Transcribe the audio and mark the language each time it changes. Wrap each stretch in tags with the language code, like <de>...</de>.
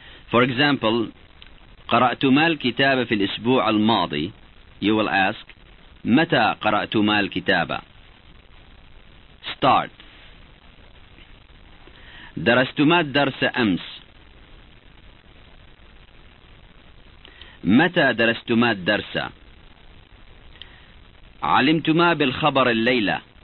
<en>For example,</en> <ar>قرأتما الكتاب في الأسبوع الماضي.</ar> <en>You will ask,</en> <ar>متى قرأتما الكتاب؟</ar> <en>Start.</en> <ar>درستما الدرس أمس؟ متى درستما الدرس؟ علمتما بالخبر الليلة؟</ar>